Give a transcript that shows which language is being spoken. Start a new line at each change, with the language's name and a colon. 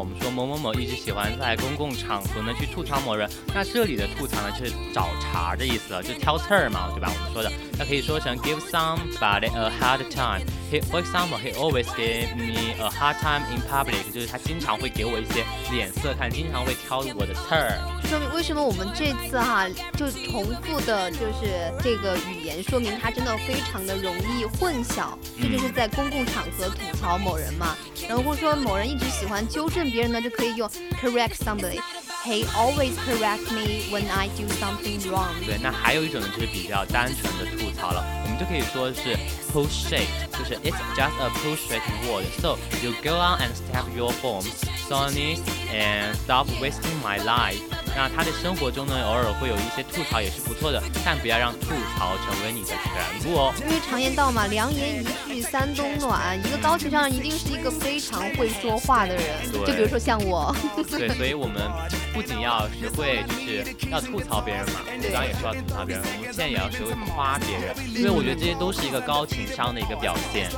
Chinese: 某某某一直喜欢在公共场合呢去吐槽某人，那这里的吐槽呢就是找茬的意思了，就挑刺儿嘛，对吧？我们说的，那可以说成
English: give somebody a hard time. For example, he always gave me a hard time in public，
Chinese: 就是他经常会给我一些脸色看，经常会挑我的刺儿。说明为什么我们这次哈、就重复的就是这个语言，说明他真的非常的容易混淆，这就是在公共场合吐槽某人嘛。然后说某人一直喜欢纠正别人呢，就可以用
English: correct somebody。 He always correct me when I do something wrong。
Chinese: 对，那还有一种呢，就是比较单纯的吐槽了，我们就可以说是 push it， 就是
English: it's just a push it word。 So you go on and stack your forms, Sonny, and stop wasting my life。
Chinese: 那他的生活中呢，偶尔会有一些吐槽也是不错的，但不要让吐槽成为你的全部哦。因为常言道嘛，良言一句三冬暖，一个高情商一定是一个非常会说话的人。对，就比如说像我。对，所以我们不仅要学会就是要吐槽别人嘛，刚刚也说要吐槽别人，我们现在也要学会夸别人，因为我觉得这些都是一个高情商的一个表现。